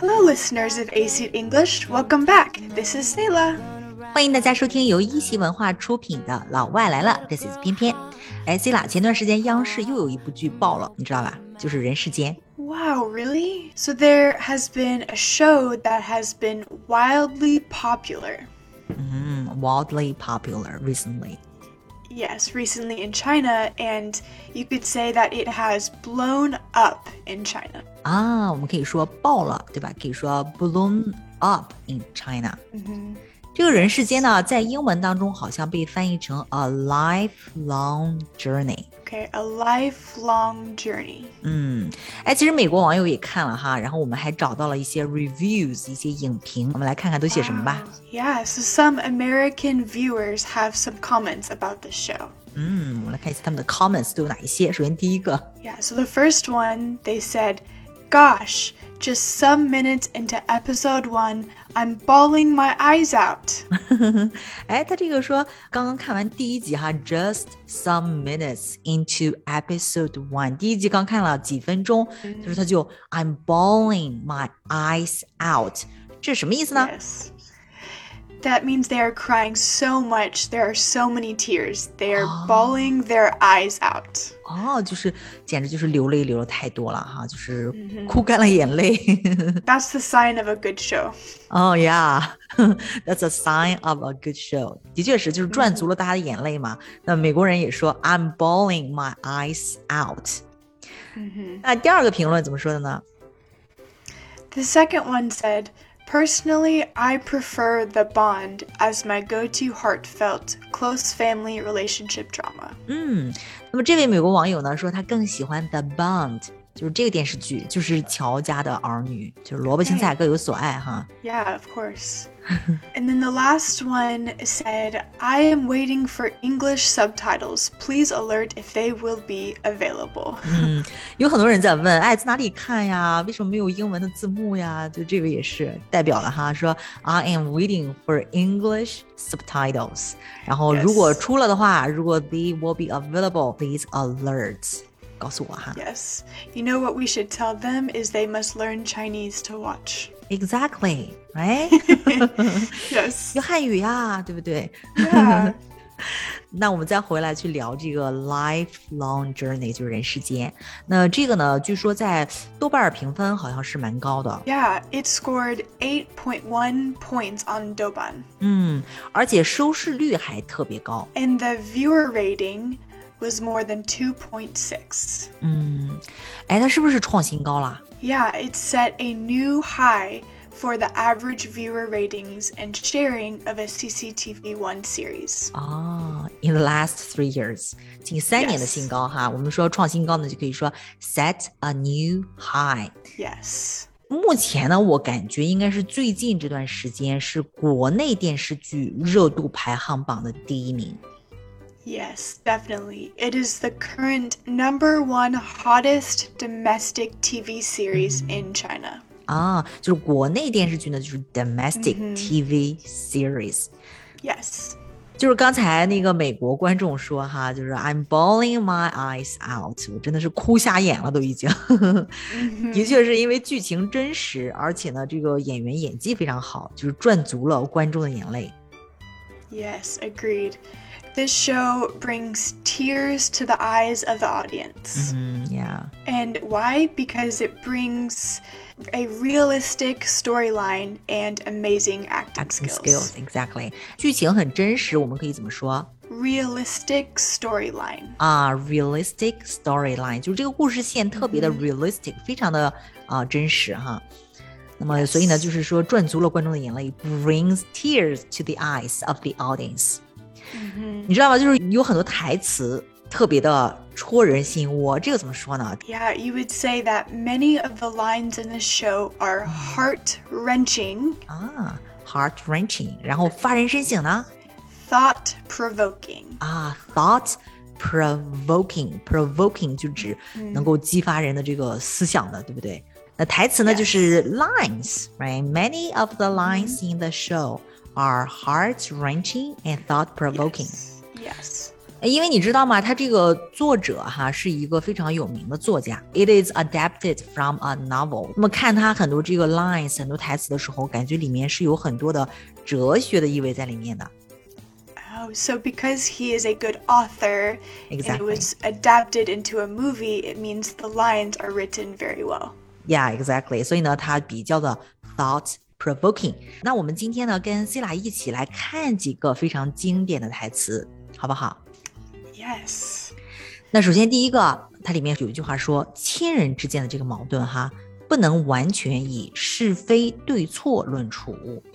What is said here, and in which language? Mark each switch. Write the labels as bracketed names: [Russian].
[English] listeners of ACED English, welcome back. This is Sayla. [Chinese] 欢迎大家收听由一席文化出品的《老外来了》， [English] This is [Chinese] 翩翩。哎 ，Sayla， 前段时间央视又有一部剧爆了，你知道吧？就是《人世间》。 [English] Wow, really? So there has been a show that has been wildly popular. Wildly popular recently. Yes, recently in China, and you could say that it has blown up in China. [Chinese] Ah, 我们可以说爆了，对吧？可以说 [English] blown up in China. [Chinese] 这个人世间呢，在英文当中好像被翻译成 [English] a lifelong journey。 Okay, a lifelong journey. [Chinese] 哎，其实美国网友也看了哈，然后我们还找到了一些 reviews, 一些影评，我们来看看都写什么吧。 [English] Yeah, so some American viewers have some comments about the show. [Chinese] 我们来看一下他们的 comments 都有哪一些。首先第一个。 [English] Yeah, so the first one, they said, Gosh, just some minutes into episode one, I'm bawling my eyes out. [Chinese] 哎，他这个说刚刚看完第一集哈 ， [English] just some minutes into episode one， [Chinese] 第一集刚看了几分钟，他说他就 [English] I'm bawling my eyes out， [Chinese] 这什么意思呢 [English] ？Yes, that means they are crying so much. There are so many tears. They are bawling their eyes out. [Chinese] 就是简直就是流泪流了太多了哈，就是哭干了眼泪。 [English] That's the sign of a good show. Oh yeah. That's a sign of a good show. [Chinese] 的确是，就是赚足了大家的眼泪嘛。那美国人也说 [English] I'm bawling my eyes out. [Chinese] 那第二个评论怎么说的呢？ [English] The second one said, Personally, I prefer The Bond as my go-to heartfelt close family relationship drama. [Chinese] 那么这位美国网友呢，说他更喜欢 The Bond. 就是这个电视剧，就是乔家的儿女，就是萝卜青菜各有所爱哈。 [English] Yeah, of course. And then the last one said, I am waiting for English subtitles. Please alert if they will be available. [Chinese] 有很多人在问，哎，在哪里看呀？为什么没有英文的字幕呀？就这个也是代表了哈，说 [English] I am waiting for English subtitles. [Chinese] 然后如果出了的话， [English] yes. [Chinese] 如果 [English] they will be available, please alert. [Chinese] 告诉我哈。 [English] Yes, you know what we should tell them is they must learn Chinese to watch. Exactly, right? Yes. [Chinese] 有汉语呀，对不对？ [English] Yeah. [Chinese] 那我们再回来去聊这个 lifelong journey, 就是人世间。那这个呢，据说在豆瓣评分好像是蛮高的。 [English] Yeah, it scored 8.1 points on 豆瓣。 [Chinese] 而且收视率还特别高。 [English] And the viewer rating... was more than 2.6. [Chinese] 哎，它是不是创新高了？ [English] Yeah, it set a new high for the average viewer ratings and sharing of a CCTV One series. In the last 3 years. [Chinese] 近三年的新高哈。 [English] Yes. [Chinese] 我们说创新高呢，就可以说 [English] set a new high. Yes. [Chinese] 目前呢，我感觉应该是最近这段时间是国内电视剧热度排行榜的第一名。 [English] Yes, definitely. It is the current number one hottest domestic TV series in China. [Chinese] 就是国内电视剧呢，就是 [English] domestic TV series. Yes. [Chinese] 就是刚才那个美国观众说哈，就是 [English] I'm bawling my eyes out. [Chinese] 我真的是哭瞎眼了，都已经。的确是因为剧情真实，而且呢，这个演员演技非常好，就是赚足了观众的眼泪。 [English] Yes, agreed. This show brings tears to the eyes of the audience. And why? Because it brings a realistic storyline and amazing acting skills. Exactly. [Chinese] 剧情很真实，我们可以怎么说？ [English] Realistic storyline. Realistic storyline. [Chinese] 就是这个故事线特别的 realistic,非常的真实哈。那么所以呢，就是说赚足了观众的眼泪 [English] brings tears to the eyes of the audience. [Chinese] 你知道吗？就是有很多台词特别的戳人心窝，这个怎么说呢 [English] ？Yeah, you would say that many of the lines in the show are heart-wrenching. Heart-wrenching. [Chinese] 然后发人深省呢 [English] ？Thought-provoking. Thought-provoking. [Chinese] Provoking 就指能够激发人的这个思想的，对不对？那台词呢， [English] yes. [Chinese] 就是 [English] lines, right? Many of the lines in the show.Are heart-wrenching and thought-provoking. Yes. [Chinese] 因为你知道吗，他这个作者哈是一个非常有名的作家。 [English] It is adapted from a novel。 [Chinese] 那么看他很多这个 lines 很多台词的时候，感觉里面是有很多的哲学的意味在里面的。 [English] So because he is a good author、 exactly. and it was adapted into a movie, it means the lines are written very well. Yeah, exactly. [Chinese] 所以呢它比较的 thought-provoking. 那我们今天呢跟 Sila 一起来看几个非常经典的台词，好不好？ [English] Yes. [Chinese] 那首先第一个，它里面有一句话说，亲人之间的这个矛盾哈，不能完全以是非对错论处。